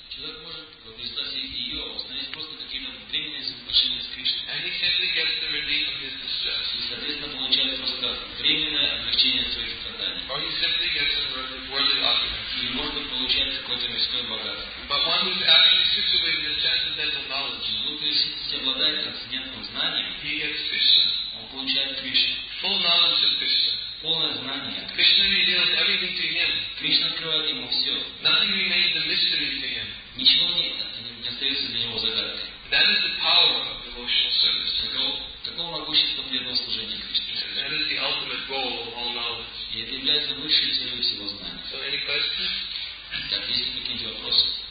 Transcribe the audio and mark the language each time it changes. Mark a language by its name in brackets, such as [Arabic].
[Russian] Человек может в результате ее установить просто какие-то временные взаимоотношения с Кришной. [English] And he simply gets the relief of his distress. [Russian] И, соответственно, получает просто временное облегчение своих страданий. [English] Or he simply gets a worldly opulence. [Russian] Или может получать какое-то мирское богатство. [English] But one who is actually situated in transcendental knowledge, [Russian] но кто обладает трансцендентным знанием, [English] he gets Krishna. [Russian] Он получает Кришну. [English] Full knowledge of Krishna. [Russian] Полное знание. [English] Krishna reveals everything to him. [Russian] Кришна открывает ему все. [English] Nothing remains a mystery to him. [Russian] Ничего не остается для него загадкой. [English] That is the power of devotional service. [Russian] Такого могущества преданного служения Кришне. [English] That is the ultimate goal of all knowledge. [Russian] И это является высшей целью всего знания. [English] So any questions? [Russian] Так, есть ли какие-то вопросы?